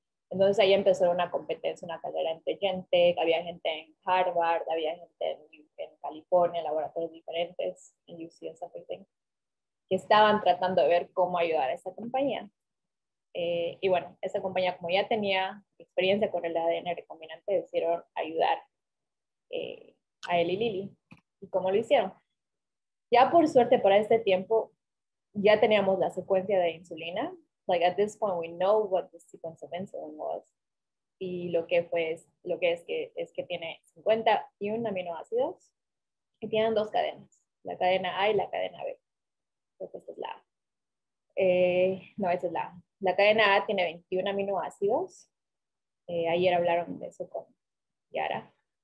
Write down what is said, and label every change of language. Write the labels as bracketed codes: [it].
[es] Entonces ahí empezó una competencia, una carrera entre gente, había gente en Harvard, había gente en California, laboratorios diferentes, en UC, something, que estaban tratando de ver cómo ayudar a esa compañía. Y bueno, esa compañía, como ya tenía experiencia con el ADN recombinante, decidieron ayudar a Eli Lilly. ¿Y cómo lo hicieron? Ya por suerte, para este tiempo, ya teníamos la secuencia de insulina. [en] Like, at this point, we know what the sequence of insulin was. [es] Y lo que fue, lo que es que tiene 51 aminoácidos y tienen dos cadenas, la cadena A y la cadena B. Entonces, esta es la A. No, esta es la A. La cadena A tiene 21 aminoácidos. Ayer hablaron de eso con Yara.